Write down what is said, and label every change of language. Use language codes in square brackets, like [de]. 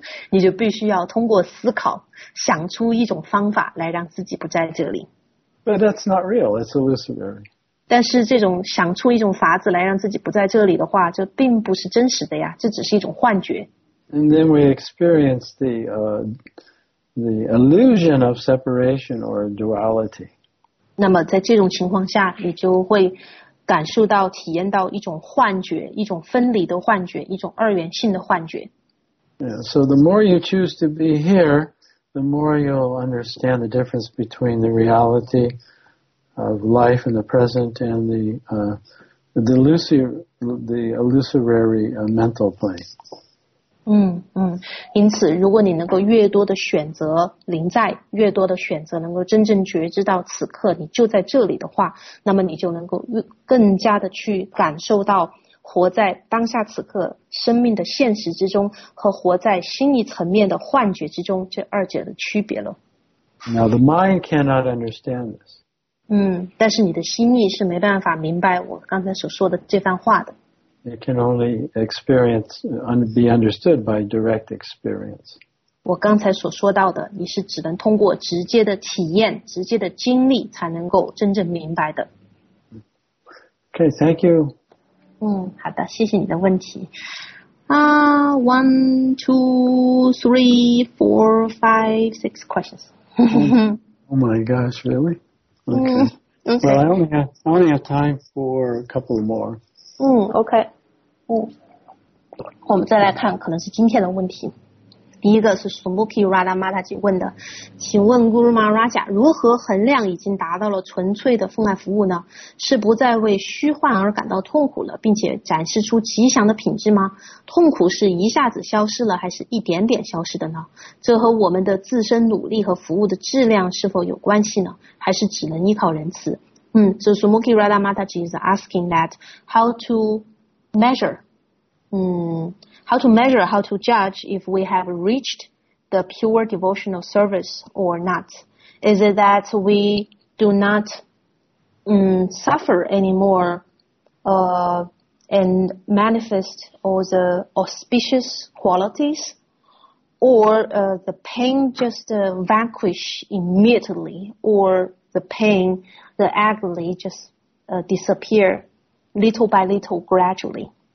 [zh] 你就必须要通过思考，想出一种方法来让自己不在这里。 [en] But that's not real, it's illusory. [zh] 但是这种想出一种法子来让自己不在这里的话，这并不是真实的呀，这只是一种幻觉。 [en] And then we experience the illusion of separation or duality. [zh] 那么在这种情况下，你就会感受到、体验到一种幻觉，一种分离的幻觉，一种二元性的幻觉。 [en] Yeah, so the more you choose to be here, the more you'll understand the difference between the reality. Of life in the present and the illusory mental plane. [zh] 因此，如果你能够越多的选择临在，越多的选择能够真正觉知到此刻你就在这里的话，那么你就能够更加的去感受到活在当下此刻生命的现实之中和活在心理层面的幻觉之中这二者的区别了。 [en] Now the mind cannot understand this. [zh] 但是你的心意是没办法明白我刚才所说的这番话的。 [en] It can only experience and be understood by direct experience. [zh] 我刚才所说到的，你是只能通过直接的体验、直接的经历才能够真正明白的。 [en] Okay, thank you. [zh] 好的，谢谢你的问题。 [en] 1, 2, 3, 4, 5, 6 questions. Oh my gosh, really? Okay. Well, I only have time for a couple more. [zh] Okay. 我们再来看可能是今天的问题。第一个是 Sumuki Radha Mataji 问的，请问 Guru Maharaj 如何衡量已经达到了纯粹的奉爱服务呢？是不再为虚幻而感到痛苦了，并且展示出吉祥的品质吗？痛苦是一下子消失了，还是一点点消失的呢？这和我们的自身努力和服务的质量是否有关系呢？还是只能依靠仁慈？ [en] So Sumuki Radha Mataji is asking that how to judge if we have reached the pure devotional service or not. Is it that we do not suffer anymore and manifest all the auspicious qualities, or the pain just vanquish immediately, or the pain, the agony just disappear little by little gradually?